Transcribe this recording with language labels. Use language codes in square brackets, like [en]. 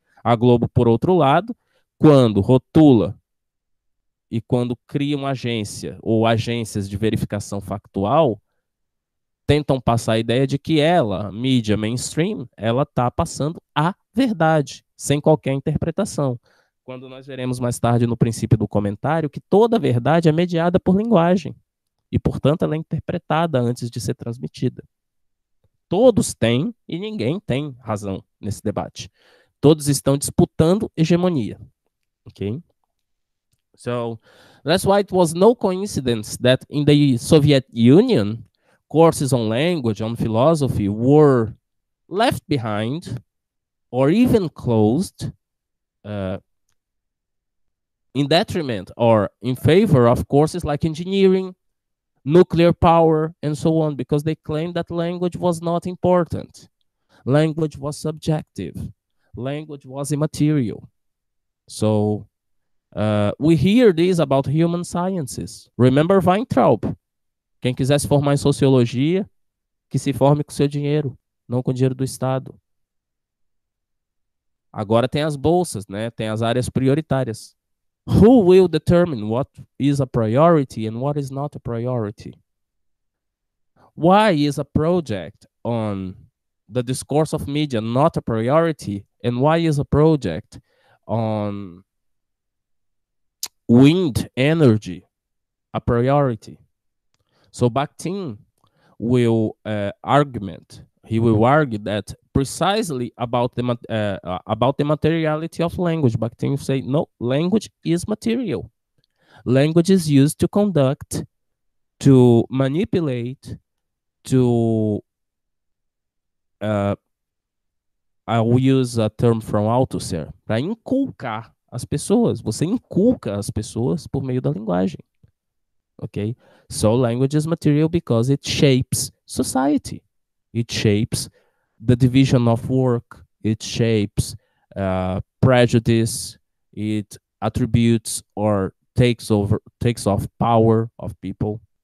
[pt] A Globo, por outro lado, quando rotula e quando cria uma agência ou agências de verificação factual, tentam passar a ideia de que ela, mídia mainstream, ela está passando a verdade, sem qualquer interpretação. Quando nós veremos mais tarde no princípio do comentário que toda verdade é mediada por linguagem e, portanto, ela é interpretada antes de ser transmitida. Todos têm e ninguém tem razão nesse debate. Todos estão disputando hegemonia. Ok? [en] So, that's why it was no coincidence that in the Soviet Union, courses on language, on philosophy, were left behind or even closed in detriment or in favor of courses like engineering, nuclear power, and so on, because they claimed that language was not important. Language was subjective. Language was immaterial. So we hear this about human sciences. Remember Weintraub. [pt] Quem quiser se formar em sociologia, que se forme com seu dinheiro, não com o dinheiro do Estado. Agora tem as bolsas, né? Tem as áreas prioritárias. [en] Who will determine what is a priority and what is not a priority? Why is a project on the discourse of media not a priority? And why is a project on wind energy a priority? So Bakhtin will argue that precisely about the materiality of language. Bakhtin will say, no, language is material. Language is used to conduct, to manipulate, to, I will use a term from Althusser, [pt] para inculcar as pessoas. Você inculca as pessoas por meio da linguagem. [en] Okay, so language is material because it shapes society, it shapes the division of work, it shapes prejudice, it attributes or takes off power of people.